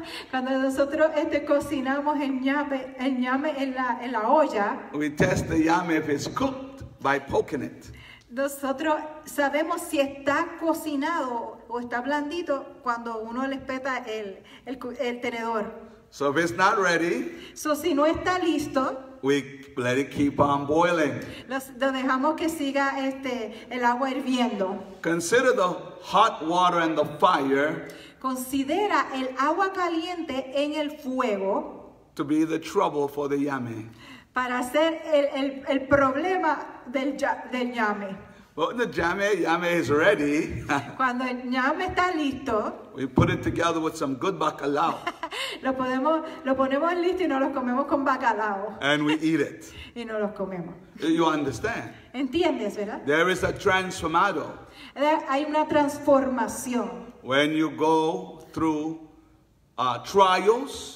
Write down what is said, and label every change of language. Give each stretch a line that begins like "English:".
Spanish: Cuando nosotros cocinamos el ñame en la olla.
English: We test the yame if it's cooked by poking it.
Spanish: Nosotros sabemos si está cocinado o está blandito cuando uno le peta el tenedor.
English: So if it's not ready,
Spanish: so si no está listo,
English: we let it keep on boiling.
Spanish: Lo dejamos que siga el agua hirviendo.
English: Consider the hot water and the fire.
Spanish: Considera el agua caliente en el fuego.
English: To be the trouble for the yummy.
Spanish: Para hacer el problema del ñame.
English: When the ñame is ready.
Spanish: Cuando el ñame está listo.
English: We put it together with some good bacalao.
Spanish: lo ponemos listo y nos lo comemos con bacalao.
English: And we eat it.
Spanish: Y nos lo comemos.
English: You understand?
Spanish: ¿Entiendes, verdad?
English: There is a transformado.
Spanish: Hay una transformación.
English: When you go through trials.